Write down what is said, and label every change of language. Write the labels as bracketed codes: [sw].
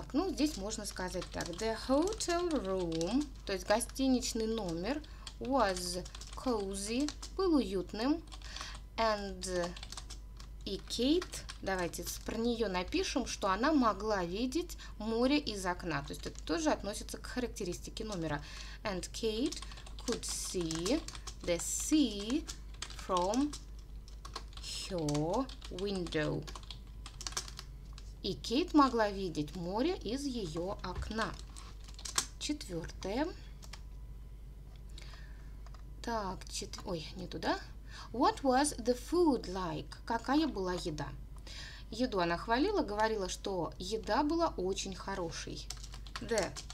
[ru] Здесь можно сказать так. [en] The hotel room, [ru] то есть гостиничный номер, [en] was cozy, [ru] был уютным. And и Kate, давайте про нее напишем, что она могла видеть море из окна. То есть это тоже относится к характеристике номера. [en] And Kate could see the sea from her window. [ru] И Кейт могла видеть море из ее окна. Четвертое. [en] What was the food like? [ru] Какая была еда? Еду она хвалила, говорила, что еда была очень хорошей. The